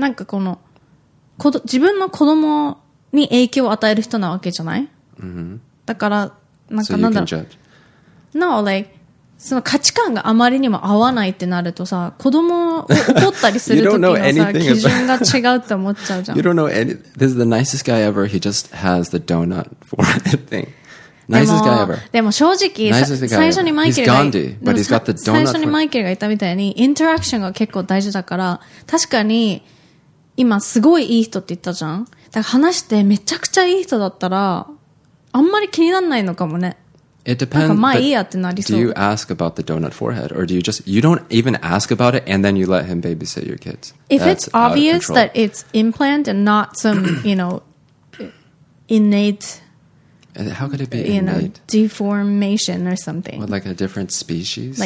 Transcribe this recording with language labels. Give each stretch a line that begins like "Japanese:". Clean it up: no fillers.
Japanese: なんかこの、自分の子供に影響を与える人なわけじゃない、 mm-hmm. だから、なんかなんだろう。
English: So、you can judge. No, like,
Japanese: その価値観があまりにも合わないってなるとさ、子供を怒ったりする時のさ基準が違うって思っちゃうじゃん。
English: You don't know any. This is the nicest guy ever. He just has the donut forehead thing. Nicest guy ever.
Japanese: でも正直、最初にマイケル
English: が、Gandhi, but he's got the donut
Japanese: 最初にマイケルが言ったみたいに、インタラクションが結構大事だから、確かに、今すごいいい人って言ったじゃん。だから話してめちゃくちゃいい人だったら、あんまり気にならないのかもね。
English: It depends.
Japanese: なんかまあいいやってなりそう。
English: Do you ask about the donut forehead, or do you just, you don't even ask about it, and then you let him babysit your kids? If it's obvious that it's implant and not some, you know, innate, how could it be innate? You know, deformation or something. What, like a different species?